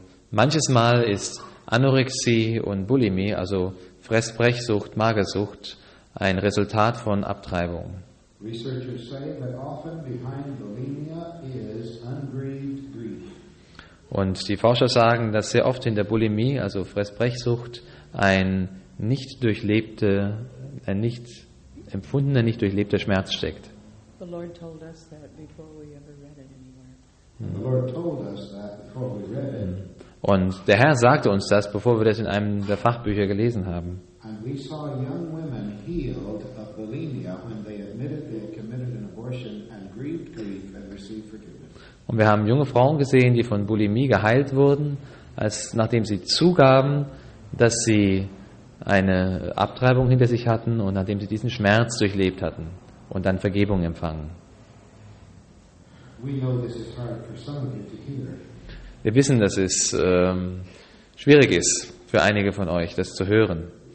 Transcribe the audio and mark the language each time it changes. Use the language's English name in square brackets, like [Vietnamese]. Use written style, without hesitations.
[German] Manches Mal ist Anorexie und Bulimie, also Fressbrechsucht, Magersucht, ein Resultat von Abtreibung. [English] Researchers say that often behind bulimia is ungrieved grief. [German] Und die Forscher sagen, dass sehr oft hinter Bulimie, also Fressbrechsucht, ein nicht durchlebter Schmerz steckt. [English] The Lord told us that before we ever read it anywhere. The Lord told us that before we read it. [German] Und der Herr sagte uns das, bevor wir das in einem der Fachbücher gelesen haben. [English] And we saw young women healed of bulimia when they admitted they had committed an abortion and grieved grief and received forgiveness. [German] Und wir haben junge Frauen gesehen, die von Bulimie geheilt wurden, nachdem sie zugaben, dass sie eine Abtreibung hinter sich hatten und nachdem sie diesen Schmerz durchlebt hatten und dann Vergebung empfangen. Wir wissen, dass es schwierig ist für einige von euch, das zu hören.